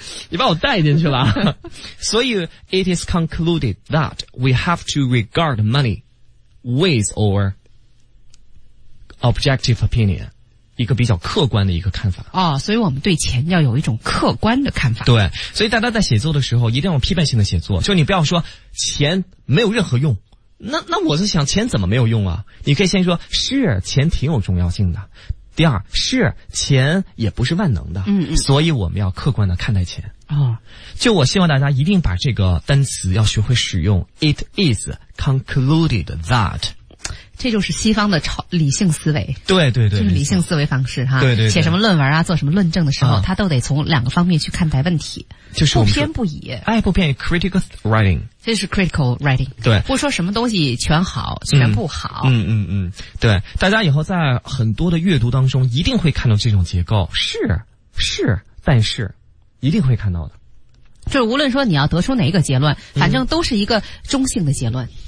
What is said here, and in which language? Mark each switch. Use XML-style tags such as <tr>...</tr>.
<zh>你把我带进去了所以</zh> <en>it is concluded that we have to regard money with our objective opinion</en> <zh>一个比较客观的一个看法、哦、所以我们对钱要有一种客观的看法对所以大家在写作的时候一定要批判性的写作就你不要说钱没有任何用那我是想钱怎么没有用啊你可以先说是钱挺有重要性的第二是钱也不是万能的嗯嗯所以我们要客观的看待钱、哦、就我希望大家一定把这个单词要学会使用</zh> <en>It is concluded that</en> <zh>这就是西方的超理性思维对对对就是理性思维方式哈对 对写什么论文啊做什么论证的时候、嗯、他都得从两个方面去看待问题就是不偏不倚哎不偏</zh> <en>critical writing</en> <zh>这是</zh> <en>critical writing</en> <zh>对不说什么东西全好全不好嗯嗯 嗯, 嗯对大家以后在很多的阅读当中一定会看到这种结构是但是一定会看到的就是无论说你要得出哪一个结论反正都是一个中性的结论、嗯</zh>